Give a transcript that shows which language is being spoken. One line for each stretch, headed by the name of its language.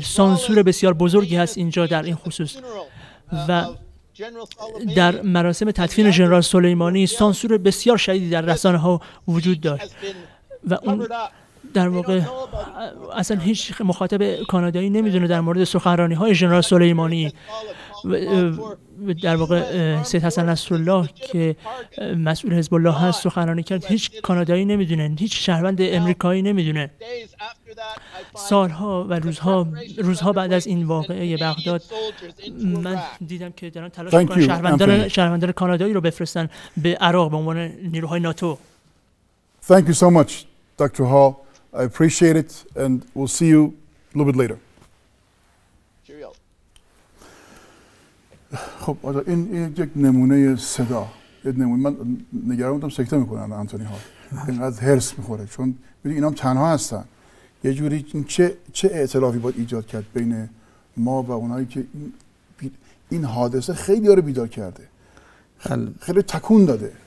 Persian: سانسور بسیار بزرگی هست اینجا در این خصوص و در مراسم تدفین جنرال سلیمانی سانسور بسیار شدیدی در رسانه ها وجود داشت و اون در واقع اصلا هیچ مخاطب کانادایی نمیدونه در مورد سخنرانی های جنرال سلیمانی و در واقع سید حسن نصرالله که مسئول حزب الله هست سخنرانی کرد هیچ کانادایی نمیدونه، هیچ شهروند امریکایی نمیدونه. سالها و روزها بعد از این واقعه بغداد من دیدم که دارن تلاش میکنن شهروندان کانادایی رو بفرستن به عراق به عنوان نیروهای ناتو.
English: Thank you so much Dr. Hall. I appreciate it and we'll see you a little bit later.
Persian: خب آجا این یک نمونه صدا یک نمونه. من نگران بودم سکته میکنن آنتونی ها اینقدر هرس میخوره چون ببین اینا هم تنها هستن یه جوری چه ائتلافی باید ایجاد کرد بین ما و اونایی که این حادثه خیلی ها رو بیدار کرده خیلی تکون داده.